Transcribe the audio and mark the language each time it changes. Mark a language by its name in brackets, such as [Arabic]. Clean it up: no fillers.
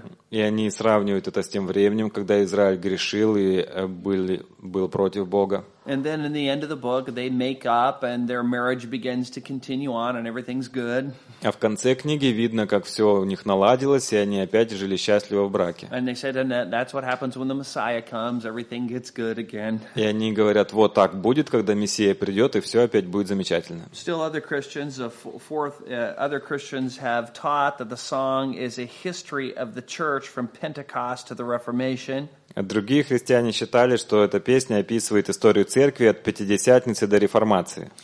[Russian] И они сравнивают это с тем временем, когда Израиль грешил и был против Бога. [English] And then in the end of the book, they make up, and their marriage begins to continue on, and everything's good. [Russian] А в конце книги видно, как все у них наладилось, и они опять жили счастливо в браке. [English] And they said, and that's what happens when the Messiah comes. Everything gets good again. [Russian] И они говорят, вот так будет, когда Мессия придет, и все опять будет замечательно. [English] Still, other Christians have taught that the song is a history of the church from Pentecost to the Reformation. [Russian] Другие христиане считали, что эта песня описывает историю церкви от Пятидесятницы до Реформации.